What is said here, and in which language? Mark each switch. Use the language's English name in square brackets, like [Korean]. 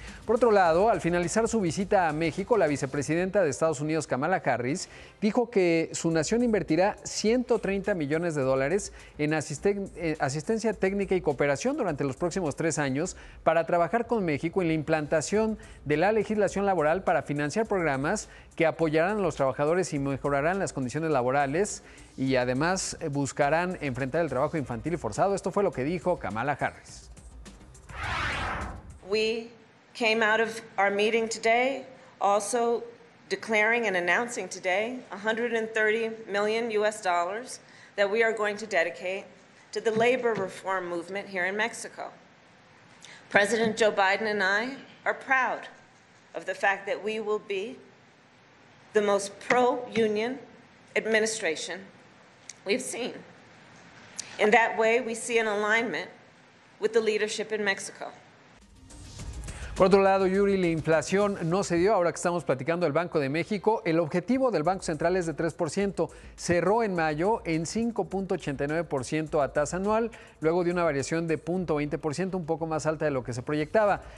[Spanish] Por otro lado, al finalizar su visita a México, la vicepresidenta de Estados Unidos, Kamala Harris, dijo que su nación invertirá 130 millones de dólares en asistencia técnica y cooperación durante los próximos 3 años para trabajar con México en la implantación de la legislación laboral para financiar programas que apoyarán a los trabajadores y mejorarán las condiciones laborales y además buscarán enfrentar el trabajo infantil y forzado. Esto fue lo que dijo Kamala Harris. [English] Came out of our meeting today, also declaring and announcing today $130 million that we are going to dedicate to the labor reform movement here in Mexico. President Joe Biden and I are proud of the fact that we will be the most pro-union administration we've seen. In that way, we see an alignment with the leadership in Mexico. [Spanish] Por otro lado, Yuri, la inflación no se dio. Ahora que estamos platicando del Banco de México, el objetivo del Banco Central es de 3%. Cerró en mayo en 5.89% a tasa anual, luego de una variación de 0.20%, un poco más alta de lo que se proyectaba.